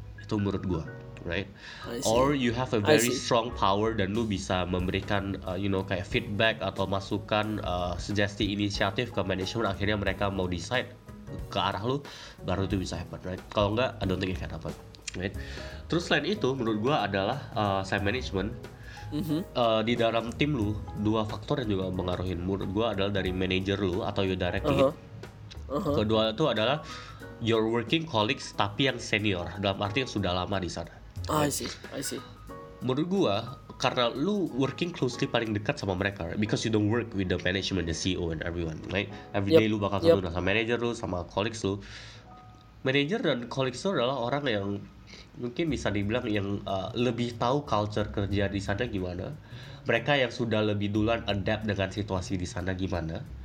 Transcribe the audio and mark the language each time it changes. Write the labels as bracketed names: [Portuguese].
[Indonesian] Itu menurut gue, right? [English] Or you have a very strong power [Indonesian] dan lu bisa memberikan kayak feedback atau masukan, suggesti inisiatif ke management, akhirnya mereka mau decide ke arah lu, baru itu bisa happen, right? Kalau enggak, [English] I don't think it can happen. Right. [Indonesian] Terus selain itu, menurut gue adalah time management. Di dalam tim lu, dua faktor yang juga mempengaruhi, menurut gue, adalah dari manager lu atau [English] your direct lead. [Indonesian] Kedua itu adalah [English] your working colleagues, [Indonesian] tapi yang senior, dalam arti yang sudah lama di sana. [English] I see. [Indonesian] Menurut gue, karena lu [English] working closely [Indonesian] paling dekat sama mereka, right? [English] Because you don't work with the management, the CEO and everyone, right? Every day [Indonesian] lu bakal ketemu sama manager lu, sama colleagues lu. Manager dan colleagues lu adalah orang yang mungkin bisa dibilang yang lebih tahu culture kerja di sana gimana. Mereka yang sudah lebih duluan adapt dengan situasi di sana gimana.